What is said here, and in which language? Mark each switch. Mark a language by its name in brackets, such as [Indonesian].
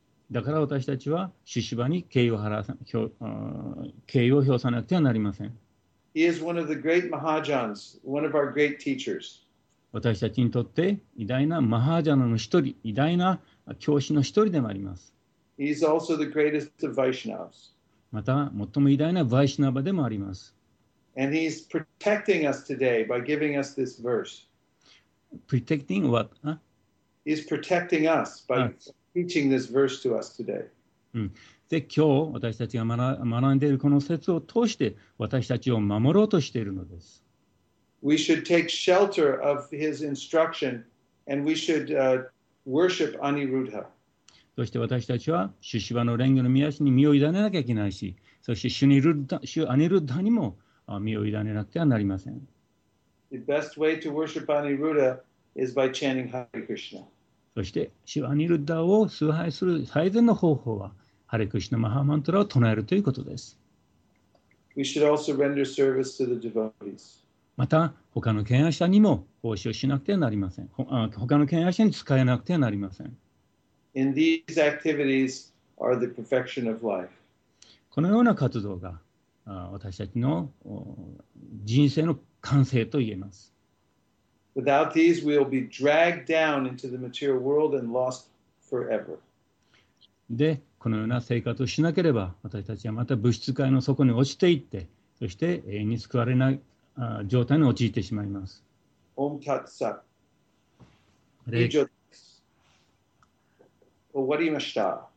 [Japanese] だから私たちはシュシバに敬意を表さなくてはなりません。 [English] He is one of the great Mahajans, one of our great teachers. [Japanese] 私たちにとって偉大なマハージャナの一人、偉大な教師の一人でもあります。 [English] He is also the greatest of Vaishnavas. [Japanese] また最も偉大なヴァイシナヴァでもあります。 [English] And he is protecting us today by giving us this verse. Protecting what? Is protecting us by teaching this verse to us today. [Japanese] で、今日私たちが学んでいるこの説を通して私たちを守ろうとしているのです。 [English] We should take shelter of his instruction and we should worship Aniruddha. [Japanese] そして私たちはシュシバの蓮華の御足に身を委ねなきゃいけないし、そしてシュアニルッダにも身を委ねなくてはなりません。 [English] The best way to worship Aniruddha. Is by chanting Hare Krishna. [Japanese] そして、シュアニルッダを崇拝する最善の方法は、ハレクリシュナマハマントラを唱えるということです。 [English] We should also render service to the devotees. [Japanese] また他の権威者にも奉仕をしなくてはなりません。他の権威者に使えなくてはなりません。 [English] In these activities are the perfection of life. [Japanese] このような活動が私たちの人生の完成と言えます。 [English] Without these, we'll be dragged down into the material world and lost forever. [Japanese] で、このような生活をしなければ、私たちはまた物質界の底に落ちていって、そして永遠に救われない状態に陥ってしまいます。 [Sanskrit] Om Tat Sat. [Japanese] Owarimashita.